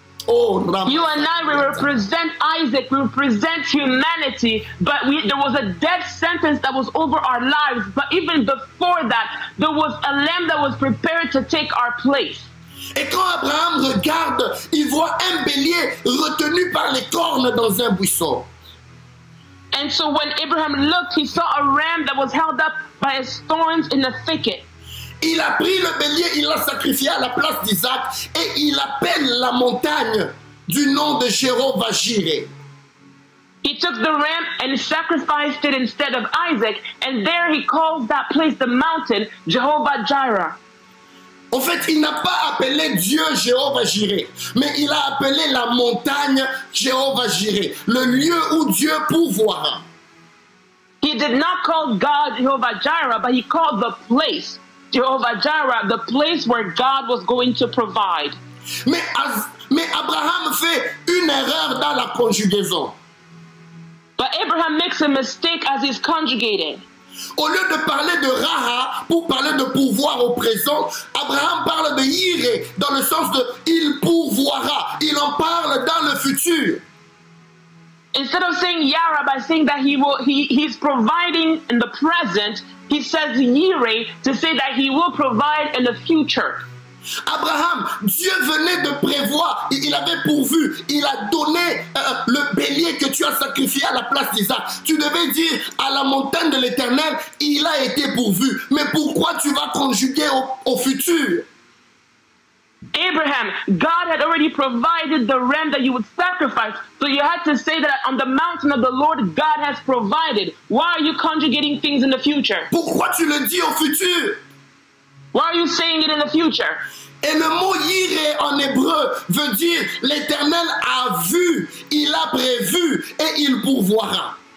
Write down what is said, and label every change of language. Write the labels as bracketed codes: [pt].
[en] You and I, we represent Isaac, we represent humanity, but there was a death sentence that was over our lives. But even before that, there was a lamb that was prepared to take our place. [fr] Et quand Abraham regarde, il voit un bélier retenu par les cornes dans un buisson. [en] And so when Abraham looked, he saw a ram that was held up by its thorns in a thicket. [fr] Il a pris le bélier, il l'a sacrifié à la place d'Isaac et il appelle la montagne du nom de Jéhovah Jireh. [en] He took the ram and sacrificed it instead of Isaac, and there he calls that place the mountain Jehovah Jireh. [fr] En fait, il n'a pas appelé Dieu Jéhovah Jireh, mais il a appelé la montagne Jéhovah Jireh, le lieu où Dieu pourvoira. [en] He did not call God Jehovah Jireh, but he called the place Jehovah Jireh, the place where God was going to provide. [fr] Mais Abraham fait une erreur dans la conjugaison. [en] But Abraham makes a mistake as he's conjugating. [fr] Au lieu de parler de Raha pour parler de pouvoir au présent, Abraham parle de Jireh dans le sens de il pourvoira. Il en parle dans le futur. [en] Instead of saying Yara by saying that he's providing in the present, he says Jireh to say that he will provide in the future. [fr] Abraham, Dieu venait de prévoir, il avait pourvu, il a donné le bélier que tu as sacrifié à la place d'Isaac. Tu devais dire à la montagne de l'Éternel, il a été pourvu. Mais pourquoi tu vas conjuguer au futur? [en] Abraham, God had already provided the ram that you would sacrifice. So you had to say that on the mountain of the Lord, God has provided. Why are you conjugating things in the future? [fr] Pourquoi tu le dis au futur? [en] Why are you saying it in the future? [fr] Et le mot Jireh en hébreu veut dire l'Éternel a vu, il a prévu et il pourvoira.